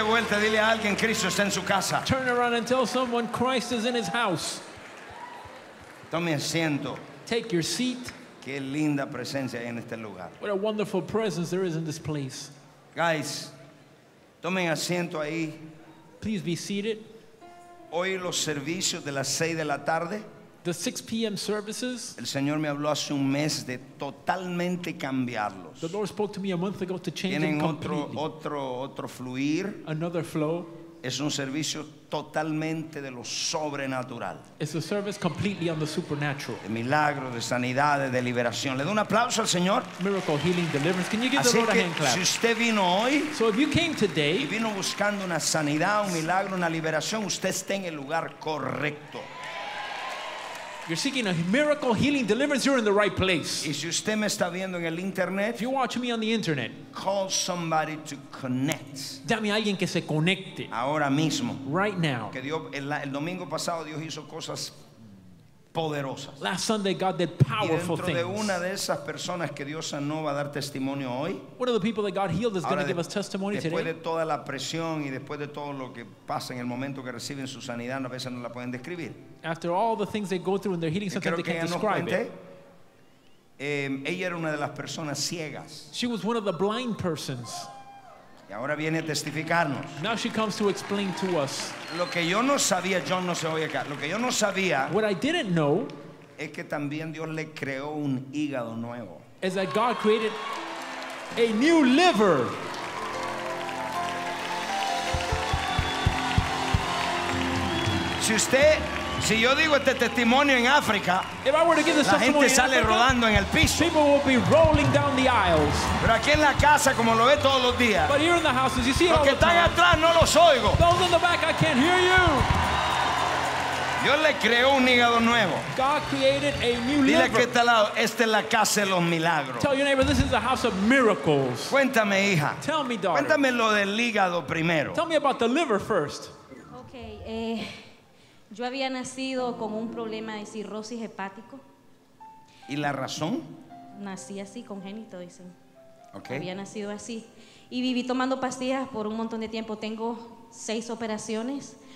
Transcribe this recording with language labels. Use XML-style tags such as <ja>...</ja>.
<es>Dile a alguien, Cristo está en su casa.</es> <en>Turn around and tell someone Christ is in his house.</en> <es>Tome asiento.</es> <en>Take your seat.</en> <es>Qué linda presencia hay en este lugar.</es> <en>What a wonderful presence there is in this place.</en> <es>Guys, tomen asiento ahí.</es> <en>Please be seated.</en> <es>Hoy los servicios de las 6 de la tarde.</es> <en>The 6 p.m. services.</en> <es>El Señor me habló hace un mes de totalmente cambiarlos.</es> <en>The Lord spoke to me a month ago to change them completely.</en> <es>Tienen otro fluir.</es> <en>Another flow.</en> <es>Es un servicio totalmente de lo sobrenatural.</es> <en>It's a service completely on the supernatural.</en> <es>De milagros, de sanidades, de liberación. Le doy un aplauso al Señor.</es> <en>Miracle, healing, deliverance. Can you give</en> <es>Así</es> <en>the Lord</en> <es>que,</es> <en>a hand clap?</en> <es>Si usted vino hoy,</es> <en>so if you came today,</en> <es>y vino buscando una sanidad, un milagro, una liberación, usted está en el lugar correcto.</es> <en>You're seeking a miracle, healing, deliverance, you're in the right place.</en> <es>Y si usted me está viendo en el internet,</es> <en>if you watch me on the internet, call somebody to connect.</en> <es>Dame a alguien que se conecte. Ahora mismo.</es> <en>Right now.</en> <es>Que Dios, el domingo pasado Dios hizo cosas poderosas.</es> <en>Last Sunday God did powerful things.</en> <es>Y dentro de una de esas personas que Dios sanó va a dar testimonio hoy.</es> <en>One of the people that God healed is going to give us testimony</en> <es>después</es> <en>today.</en> <es>Después de toda la presión y después de todo lo que pasa en el momento que reciben su sanidad, a veces no la pueden describir.</es> <en>After all the things they go through in their healing, sometimes they can't describe it.</en> <es>Ella era una de las personas ciegas.</es> <en>She was one of the blind persons.</en> <es>Y ahora viene a testificarnos.</es> <en>Now she comes to explain to us.</en> <es>Lo que yo no sabía, John no se oye acá. Lo que yo no sabía.</es> <en>What I didn't know.</en> <es>Es que también Dios le creó un hígado nuevo.</es> <en>Is that God created a new liver.</en> <es>Si usted, si yo digo este testimonio en África, la gente sale</es> <en>Africa,</en> <es>rodando en el piso.</es> <en>People will be rolling down the aisles.</en> <es>Pero aquí en la casa, como lo ve todos los días,</es> <en>but here in the houses, you see</en> <es>los que están</es> <en>time.</en> <es>Atrás no los oigo.</es> <en>Those in the back, I can't hear you.</en> <es>Dios le creó un hígado nuevo.</es> <en>God created a new</en> <es>dile</es> <en>liver.</en> <es>Que está al lado, esta es la casa de los milagros.</es> <en>Tell your neighbor, this is the house of miracles.</en> <es>Cuéntame, hija.</es> <en>Tell me, daughter.</en> <es>Cuéntame lo del hígado primero.</es> <en>Tell me about the liver first.</en> <es>Okay, yo había nacido con un problema de cirrosis hepático. ¿Y la razón? Nací así, congénito, dicen. Okay. Había nacido así. Y viví tomando pastillas por un montón de tiempo. Tengo 6 operaciones.</es>